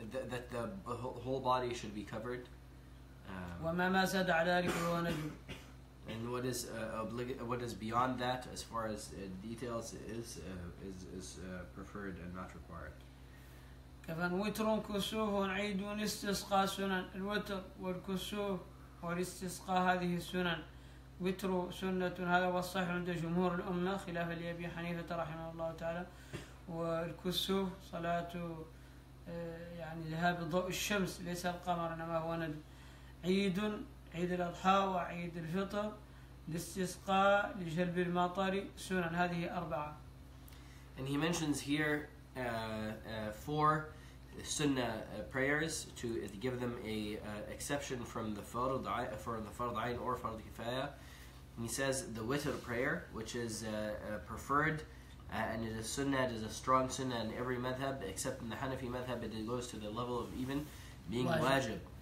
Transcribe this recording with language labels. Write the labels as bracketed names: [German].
[English] that the whole body should be covered [Arabic] وما زاد على ذلك هو ندب [English] and what is what is beyond that as far as details is preferred and not required [Arabic] كفن وتر كسوه عيد استسقاء سنن الوتر والكسوه والاستسقاء هذه السنن وتر سنة هذا والصحيح عند جمهور الأمة خلاف أبي حنيفة رحمه الله تعالى والكسوه صلاة يعني ذهاب ضوء الشمس ليس القمر إنما هو عيد عيد الأضحى وعيد الفطر الاستسقاء لجلب المطر سنن هذه أربعة [English] and he mentions here four sunnah prayers to give them a exception from the fard for the fard ayn or fard kifaya. He says the witr prayer, which is preferred And it is sunnah, it is a strong sunnah in every madhab, except in the Hanafi madhab, it goes to the level of even being wajib.